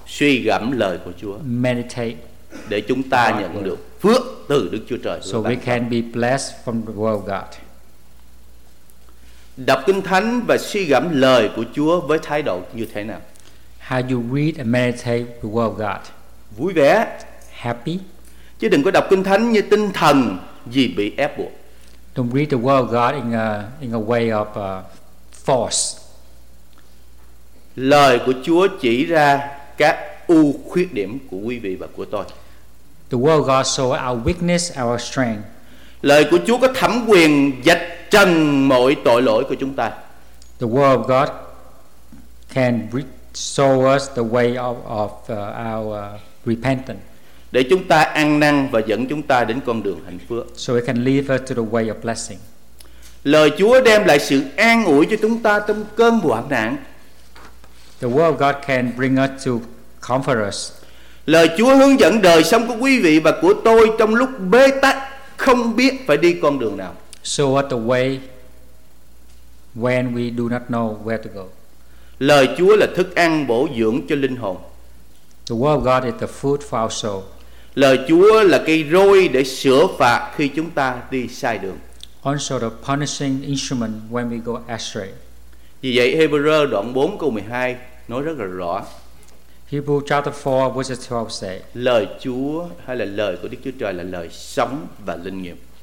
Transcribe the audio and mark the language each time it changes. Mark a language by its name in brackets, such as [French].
[Vietnamese] Suy gẫm lời của Chúa. [English] Meditate. [Vietnamese] Để chúng ta God nhận được phước từ Đức Chúa Trời. [English] So we can be blessed from the word of God. [Vietnamese] Đọc Kinh Thánh và suy gẫm lời của Chúa với thái độ như thế nào? [English] How you read and meditate the word of God? [Vietnamese] Vui vẻ. [English] Happy. [Vietnamese] Chứ đừng có đọc Kinh Thánh như tinh thần vì bị ép buộc. [English] Don't read the word of God in a way of force. [Vietnamese] Lời của Chúa chỉ ra các ưu khuyết điểm của quý vị và của tôi. [English] The word of God shows our weakness, our strength. [Vietnamese] Lời của Chúa có thẩm quyền vạch trần mọi tội lỗi của chúng ta. [English] The word of God can show us the way of our repentance. [Vietnamese] Để chúng ta ăn năn và dẫn chúng ta đến con đường hạnh phúc. [English] So it can lead us to the way of blessing. [Vietnamese] Lời Chúa đem lại sự an ủi cho chúng ta trong cơn hoạn nạn. [English] The word of God can bring us to comfort us. [Vietnamese] Lời Chúa hướng dẫn đời sống của quý vị và của tôi trong lúc bế tắc không biết phải đi con đường nào. [English] So what the way when we do not know where to go. [Vietnamese] Lời Chúa là thức ăn bổ dưỡng cho linh hồn. [English] The word of God is the food for our soul. [Vietnamese] Lời Chúa là cây roi để sửa phạt khi chúng ta đi sai đường. [English] Also the punishing instrument when we go astray. [Vietnamese] Vì vậy Hebrew đoạn 4 câu 12 nói rất là rõ. [English] Hebrew chapter 4 verse 12 say. [Vietnamese] Lời Chúa hay là lời của Đức Chúa Trời là lời sống và linh nghiệm.